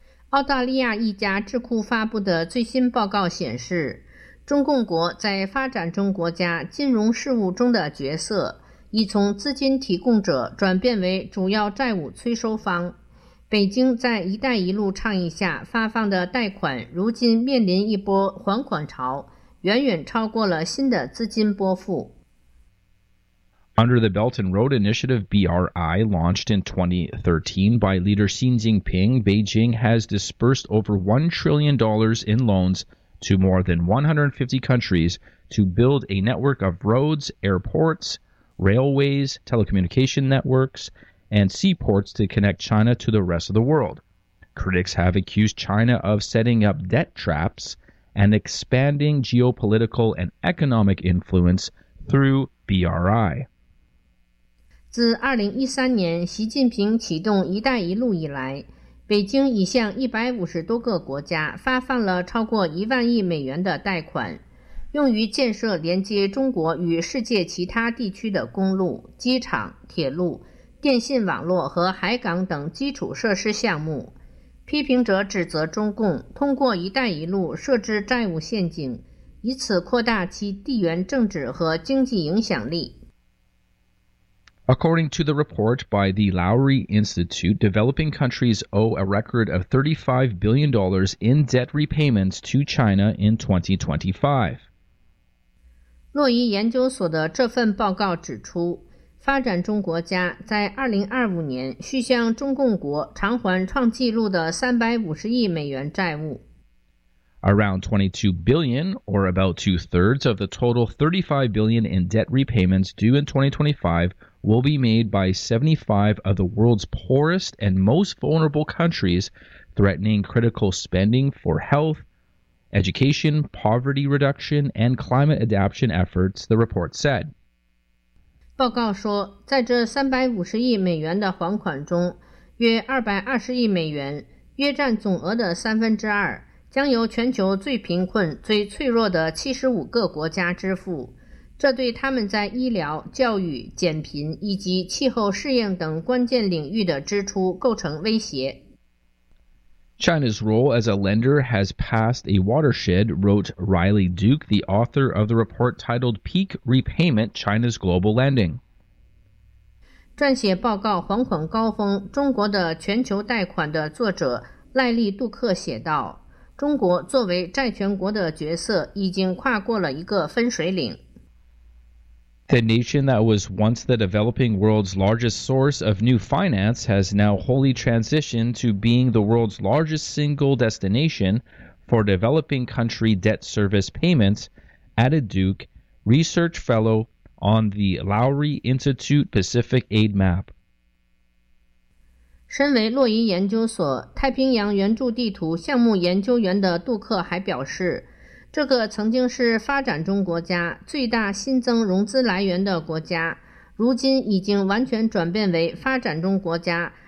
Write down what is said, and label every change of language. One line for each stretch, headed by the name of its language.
Chinese: 澳大利亚一家智库发布的最新报告显示，中共国在发展中国家金融事务中的角色已从资金提供者转变为主要债务催收方。北京在“一带一路”倡议下发放的贷款如今面临一波还款潮，远远超过了新的资金拨付。
English: Under the Belt and Road Initiative, BRI, launched in 2013 by leader Xi Jinping, Beijing has dispersed over $1 trillion in loans,to more than 150 countries to build a network of roads, airports, railways, telecommunication networks, and seaports to connect China to the rest of the world. Critics have accused China of setting up debt traps and expanding geopolitical and economic influence through BRI.
Chinese: 自2013年习近平启动一带一路以来，北京已向150多个国家发放了超过1万亿美元的贷款，用于建设连接中国与世界其他地区的公路、机场、铁路、电信网络和海港等基础设施项目。批评者指责中共通过一带一路设置债务陷阱，以此扩大其地缘政治和经济影响力。
English: According to the report by the Lowry Institute, developing countries owe a record of $35 billion in debt repayments to China in 2025.
Chinese: 洛伊研究所的这份报告指出，发展中国家在2025年需向中共国偿还创纪录的350亿美元债务。
English: Around $22 billion, or about two-thirds of the total $35 billion in debt repayments due in 2025,will be made by 75 of the world's poorest and most vulnerable countries, threatening critical spending for health, education, poverty reduction, and climate adaptation efforts, the report said.
Chinese: 报告说，在这350亿美元的还款中，约220亿美元，约占总额的三分之二，将由全球最贫困、最脆弱的75个国家支付。这对他们在医疗、教育、减贫以及气候适应等关键领域的支出构成威胁。
English: China's role as a lender has passed a watershed, wrote Riley Duke, the author of the report titled Peak Repayment, China's Global Lending.
Chinese: 撰写报告《还款高峰：中国的全球贷款》的作者赖利·杜克写道，中国作为债权国的角色已经跨过了一个分水岭。
English: The nation that was once the developing world's largest source of new finance has now wholly transitioned to being the world's largest single destination for developing country debt service payments, added Duke, research fellow on the Lowry Institute Pacific Aid Map.
Chinese: 身为洛伊研究所太平洋援助地图项目研究员的杜克还表示，这个曾经是发展中国家最大新增融资来源的国家，如今已经完全转变为发展中国家